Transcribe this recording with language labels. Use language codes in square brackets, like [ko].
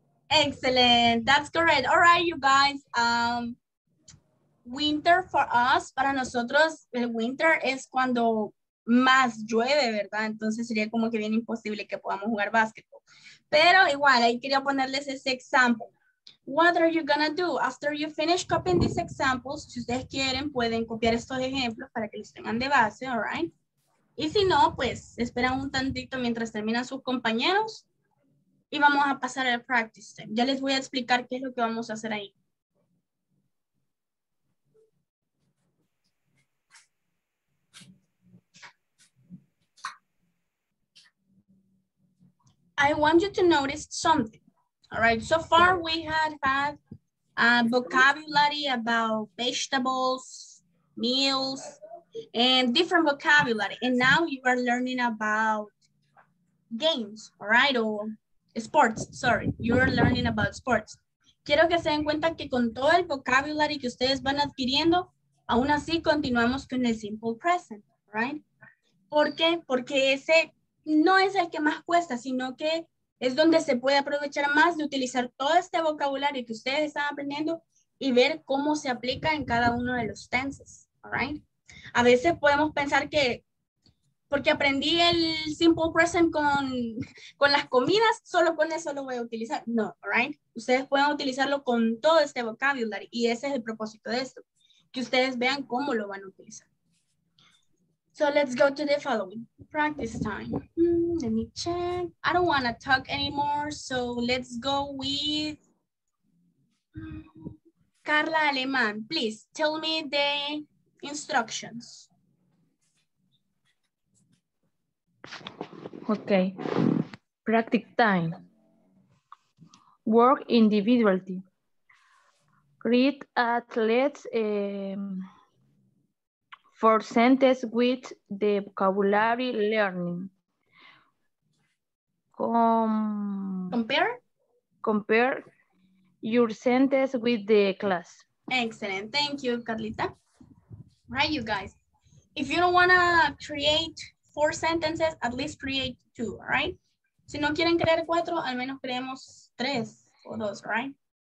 [en] Excellent. That's correct. All right, you guys. Winter for us, [es] para nosotros, el winter es cuando más llueve, ¿verdad? Entonces sería como que bien imposible que podamos jugar basketball. Pero igual, ahí quería ponerles ese example. [en] What are you gonna do after you finish copying these examples? [es] Si ustedes quieren, pueden copiar estos ejemplos para que los tengan de base, all right? Y si no, pues, esperan un tantito mientras terminan sus compañeros y vamos a pasar al practice time. Ya les voy a explicar qué es lo que vamos a hacer ahí. [en] I want you to notice something. All right, so far we had a vocabulary about vegetables, meals, and different vocabulary. And now you are learning about games, all right, or sports, sorry. You're learning about sports. [es] Quiero que se den cuenta que con todo el vocabulary que ustedes van adquiriendo, aún así continuamos con el simple present, right? ¿Por qué? Porque ese no es el que más cuesta, sino que es donde se puede aprovechar más de utilizar todo este vocabulario que ustedes están aprendiendo y ver cómo se aplica en cada uno de los tenses, all right? A veces podemos pensar que porque aprendí el simple present con las comidas, solo con eso lo voy a utilizar. No, all right? Ustedes pueden utilizarlo con todo este vocabulario y ese es el propósito de esto, que ustedes vean cómo lo van a utilizar. [en] So let's go to the following practice time. Let me check. I don't want to talk anymore. So let's go with Carla Alemán. Please tell me the instructions. Okay. Practice time. Work individually. Read at least four sentences with the vocabulary learning. Compare your sentences with the class. Excellent. Thank you, Carlita. Right, you guys. If you don't want to create four sentences, at least create two, all right? [es] Si no quieren crear cuatro, al menos creemos tres o dos, right?